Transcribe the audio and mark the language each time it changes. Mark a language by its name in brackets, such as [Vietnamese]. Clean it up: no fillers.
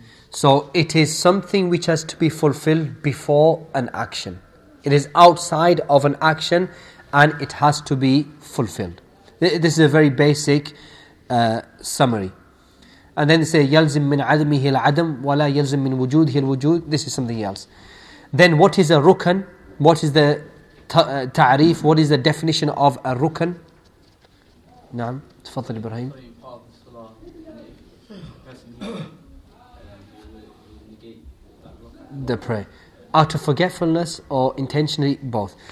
[English] So it is something which has to be fulfilled before an action. It is outside of an action and it has to be fulfilled. This is a very basic summary. And then they say, [Arabic] يَلْزِمْ مِنْ عَدْمِهِ الْعَدْمِ وَلَا يَلْزِمْ مِنْ وُجُودِهِ الْوُجُودِ. [English] This is something else. Then what is a rukan? What is the ta'arif? What is the definition of a rukan? [Arabic] نعم, تفضل إبراهيم. [English] The prayer, out of forgetfulness or intentionally, both.